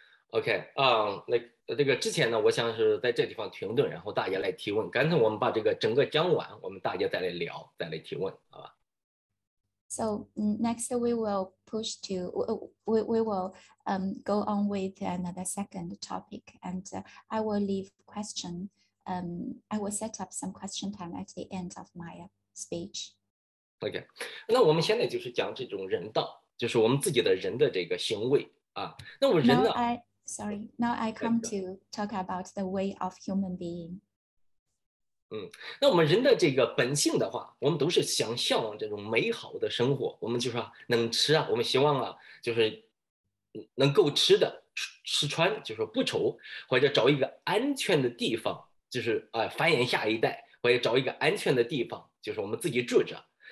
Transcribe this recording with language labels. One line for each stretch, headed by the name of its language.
Chinese: OK, 那这个之前呢，我想是在这地方停顿，然后大家来提问。刚才我们把这个整个讲完，我们大家再来聊，再来提问，好吧？
English: So next we will push to, go on with another second topic, and I will leave question, I will set up some question time at the end of my speech.
Chinese: OK, 那我们现在就是讲这种人道，就是我们自己的人的这个行为啊，那我人呢？
English: Sorry, now I come to talk about the way of human being.
Chinese: 那我们人的这个本性的话，我们都是想向往这种美好的生活。我们就说能吃啊，我们希望啊，就是能够吃的吃穿，就是不愁，或者找一个安全的地方，就是繁衍下一代，或者找一个安全的地方，就是我们自己住着。